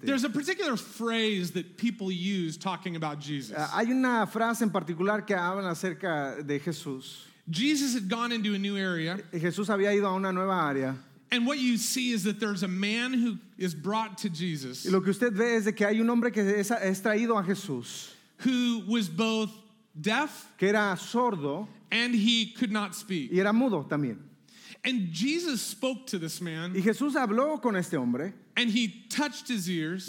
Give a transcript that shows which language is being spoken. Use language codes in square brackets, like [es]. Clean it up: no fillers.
[en] There's a particular phrase that people use talking about Jesus. [es] Hay una frase en particular que hablan acerca de Jesús. [en] Jesus had gone into a new area. [es] Jesús había ido a una nueva área. [en] And what you see is that there's a man who is brought to Jesus. [es] Y lo que usted ve es de que hay un hombre que es traído a Jesús. [en] Who was both deaf. [es] Que era sordo. [en] And he could not speak. [es] Y era mudo también. [en] And Jesus spoke to this man. [es] Y Jesús habló con este hombre. [en] And he touched his ears.